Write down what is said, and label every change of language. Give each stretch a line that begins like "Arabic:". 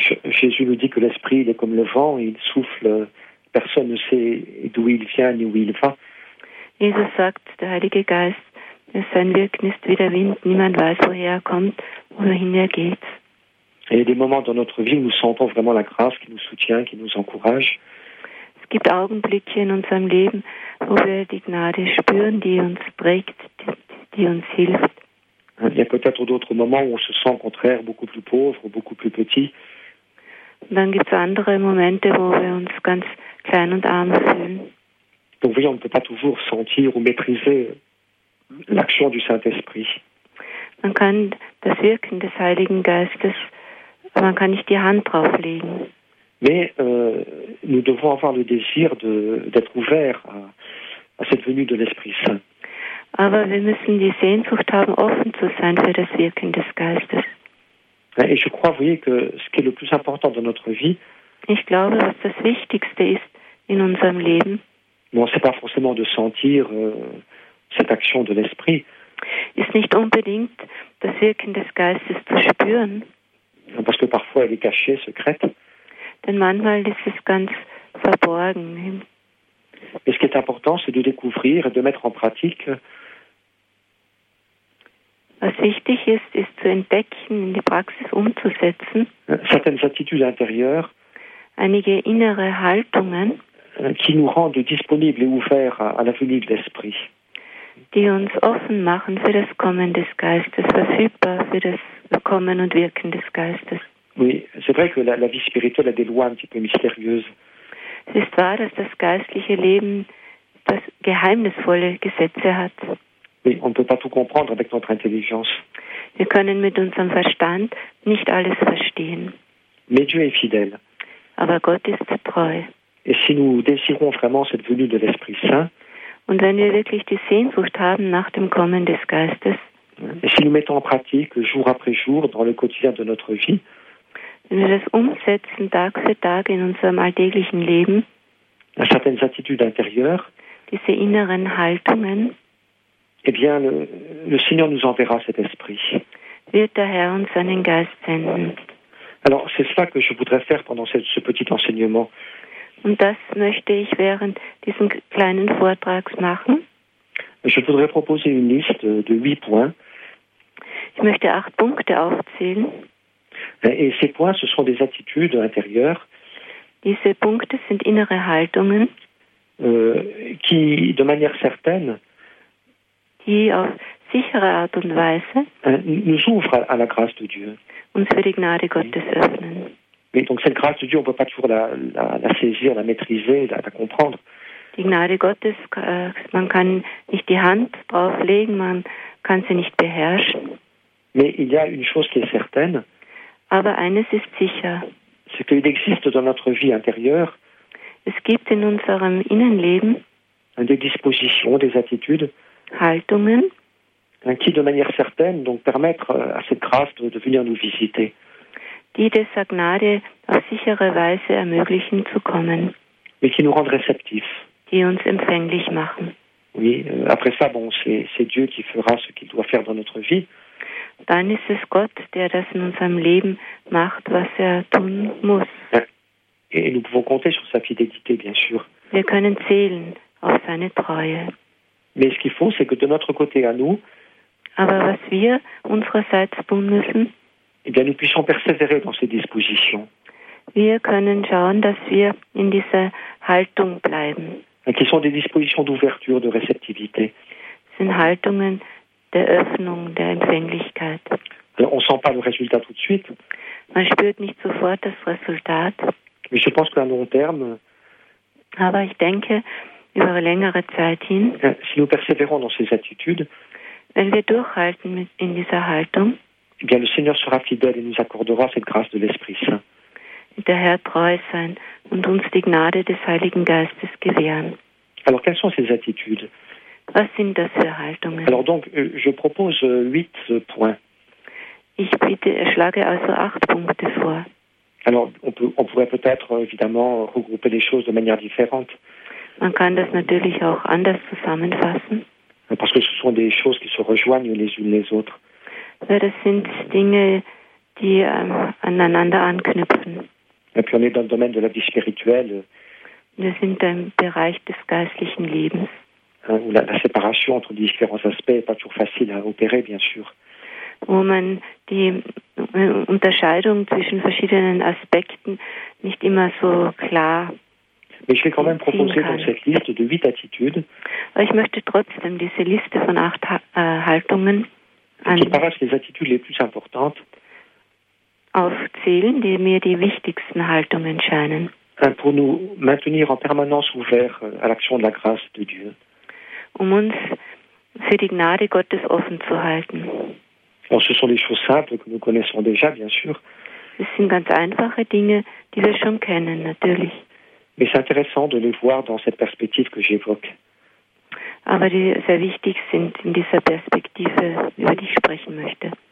French: Jésus nous dit que l'Esprit, il est comme le vent, il souffle, personne ne sait d'où il vient ni où il va.
German: Jesus sagt, der Heilige Geist, sein Wirken ist wie der Wind, niemand weiß, woher er kommt, wohin er geht.
French: Et il y a des moments dans notre vie où nous sentons vraiment la grâce qui nous soutient, qui nous encourage.
German: Es gibt Augenblicke in unserem Leben, wo wir die Gnade spüren, die uns prägt, die uns hilft.
French: Il y a peut-être d'autres moments où on se sent au contraire beaucoup plus pauvre, beaucoup plus petit.
German: Dann gibt es andere Momente, wo wir uns ganz klein und arm fühlen.
French: Donc oui, on ne peut pas toujours sentir ou maîtriser l'action du Saint-Esprit.
German: Man kann das Wirken des Heiligen Geistes, man kann nicht die Hand drauflegen.
French: Mais nous devons avoir le désir d'être ouverts à cette venue de l'Esprit Saint.
German: Aber wir müssen die Sehnsucht haben, offen zu sein für das Wirken des Geistes.
French: Et je crois, vous voyez, que ce qui est le plus important dans notre vie.
German: Ich glaube, was das Wichtigste ist in unserem Leben.
French: Bon, c'est pas forcément de sentir cette action de l'Esprit.
German: Ist nicht unbedingt das Wirken des Geistes zu spüren.
French: Parce que parfois elle est cachée, secrète.
German: Denn manchmal ist es ganz verborgen.
French: Mais ce qui est important, c'est de découvrir et de mettre en pratique.
German: Was wichtig ist, ist zu entdecken, in die Praxis umzusetzen.
French: Certaines attitudes intérieures.
German: Einige innere Haltungen.
French: Qui nous rendent disponibles et ouverts à la venue de l'Esprit.
German: Die uns offen machen für das Kommen des Geistes, verfügbar für das Kommen und Wirken des Geistes.
French: Oui, c'est vrai que la vie spirituelle a des lois un petit peu mystérieuses.
German: Es ist wahr, dass das geistliche Leben das geheimnisvolle Gesetze hat.
French: Oui, on ne peut pas tout comprendre avec notre intelligence.
German: Wir können mit unserem Verstand nicht alles verstehen.
French: Mais Dieu est fidèle.
German: Aber Gott ist treu.
French: Et si nous désirons vraiment cette venue de l'Esprit Saint,
German: und wenn wir wirklich die Sehnsucht haben nach dem Kommen des Geistes,
French: et si nous mettons en pratique jour après jour dans le quotidien de notre vie,
German: wenn wir das umsetzen Tag für Tag in unserem alltäglichen Leben,
French: certaines attitudes intérieures,
German: diese inneren Haltungen,
French: eh bien le Seigneur nous enverra cet esprit.
German: Wird der Herr uns seinen Geist senden.
French: Alors c'est cela que je voudrais faire pendant ce petit enseignement.
German: Und das möchte ich während diesem kleinen Vortrags machen.
French: Je voudrais proposer une liste de 8 points.
German: Ich möchte 8 Punkte aufzählen.
French: Et ces points, ce sont des attitudes intérieures.
German: Diese Punkte sind innere Haltungen.
French: Qui, de manière certaine,
German: die auf sichere Art und Weise
French: nous ouvrent à la grâce de Dieu.
German: Uns für die Gnade Gottes öffnen.
French: Mais donc cette grâce de Dieu, on ne peut pas toujours la saisir, la maîtriser, la comprendre.
German: Die Gnade Gottes, man kann nicht die Hand drauflegen, man kann sie nicht beherrschen.
French: Mais il y a une chose qui est certaine.
German: Aber eines ist sicher.
French: C'est qu'il existe dans notre vie intérieure.
German: Es gibt in unserem Innenleben.
French: Des dispositions, des attitudes.
German: Haltungen.
French: Qui, de manière certaine, donc permettre à cette grâce de venir nous visiter.
German: Die dieser Gnade auf sichere Weise ermöglichen zu kommen.
French: Mais qui nous rendent réceptifs.
German: Die uns empfänglich machen.
French: Oui, après ça, bon, c'est Dieu qui fera ce qu'il doit faire dans notre vie.
German: Dann ist es Gott, der das in unserem Leben macht, was er tun muss.
French: Et nous pouvons compter sur sa fidélité, bien sûr.
German: Wir können zählen auf seine Treue.
French: Mais ce qu'il faut, c'est que de notre côté à nous,
German: aber was wir unsererseits tun müssen,
French: eh bien, nous puissions persévérer dans ces dispositions.
German: Wir können schauen, dass wir in dieser Haltung bleiben.
French: Qui sont des dispositions d'ouverture, de réceptivité. Ce sont des
German: Haltungen der Öffnung, der Empfänglichkeit.
French: On ne sent pas le résultat tout de suite.
German: Man spürt nicht sofort das Resultat.
French: Mais je pense qu'à long terme.
German: Aber ich denke, über längere Zeit hin.
French: Si nous persévérons dans ces attitudes.
German: Wenn wir durchhalten in dieser Haltung.
French: Eh bien, le Seigneur sera fidèle et nous accordera cette grâce de l'Esprit Saint.
German: Der Herr treu sein und uns die Gnade des Heiligen Geistes gewähren.
French: Alors, quelles sont ces attitudes?
German: Was sind das für Haltungen?
French: Alors donc, je propose 8 points.
German: Ich schlage also 8 Punkte vor.
French: Alors, on pourrait peut-être, évidemment, regrouper les choses de manière différente.
German: Man kann das natürlich auch anders zusammenfassen.
French: Parce que ce sont des choses qui se rejoignent les unes les autres.
German: Ja, das sind Dinge, die aneinander anknüpfen.
French: Et puis on est dans le domaine de la vie spirituelle.
German: Wir sind im Bereich des geistlichen Lebens.
French: La séparation entre différents aspects n'est pas toujours facile à opérer, bien sûr.
German: Wo man die Unterscheidung zwischen verschiedenen Aspekten nicht immer so klar
French: Mais je vais quand même proposer dans cette liste de 8 attitudes.
German: Ich möchte trotzdem diese Liste von 8 Haltungen
French: qui paraissent les attitudes les plus importantes
German: aufzählen, die mir die wichtigsten Haltungen scheinen.
French: Pour nous maintenir en permanence ouvert à l'action de la grâce de Dieu.
German: Um uns für die Gnade Gottes offen zu halten.
French: Alors, ce sont des choses simples que nous connaissons déjà, bien sûr.
German: Es sind ganz einfache Dinge, die wir schon kennen, natürlich.
French: Mais c'est intéressant de les voir dans cette perspective que j'évoque.
German: Aber die sehr wichtig sind in dieser Perspektive, über die ich sprechen möchte.